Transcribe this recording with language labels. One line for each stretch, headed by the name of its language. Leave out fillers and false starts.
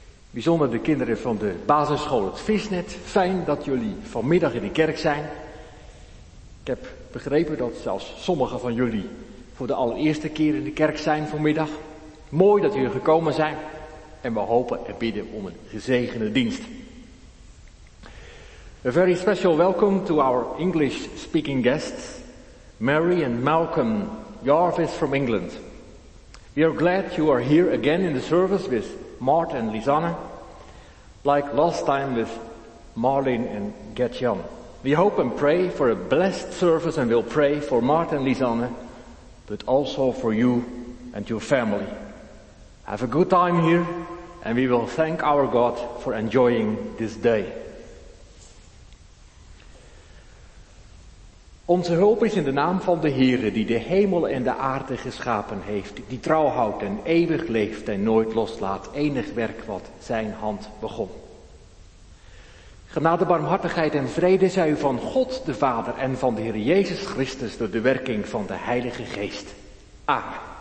Dutch: Bijzonder de kinderen van de basisschool Het Visnet, fijn dat jullie vanmiddag in de kerk zijn. Ik heb begrepen dat zelfs sommigen van jullie voor de allereerste keer in de kerk zijn vanmiddag. Mooi dat jullie gekomen zijn en we hopen en bidden om een gezegende dienst.
English: A very special welcome to our English-speaking guests, Mary and Malcolm Jarvis from England. We are glad you are here again in the service with Mart and Lisanne, like last time with Marlene and Gert-Jan. We hope and pray for a blessed service and we'll pray for Mart and Lisanne, but also for you and your family. Have a good time here and we will thank our God for enjoying this day.
Dutch: Onze hulp is in de naam van de Heere die de hemel en de aarde geschapen heeft, die trouw houdt en eeuwig leeft en nooit loslaat enig werk wat zijn hand begon. Genade, barmhartigheid en vrede zij u van God de Vader en van de Heere Jezus Christus door de werking van de Heilige Geest. Amen.